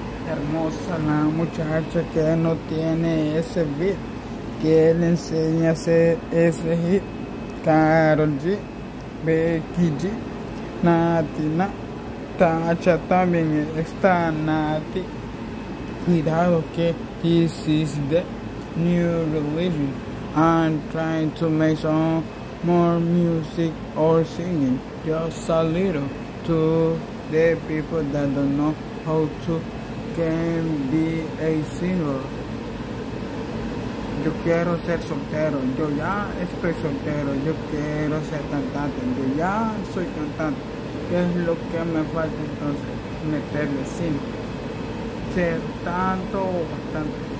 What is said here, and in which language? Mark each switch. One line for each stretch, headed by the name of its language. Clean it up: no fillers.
Spanish: Hermosa la muchacha que no tiene ese beat, que le enseña ese hit. Karol G, Becky G, Nati Na, Tacha también está Nati. Cuidado que
English: this is the new religion. I'm trying to make some more music or singing, just a little, to the people that don't know how to can be a singer.
Spanish: Yo quiero ser soltero, yo ya estoy soltero, yo quiero ser cantante, yo ya soy cantante. ¿Qué es lo que me falta entonces? Meterle sin ser tanto o bastante.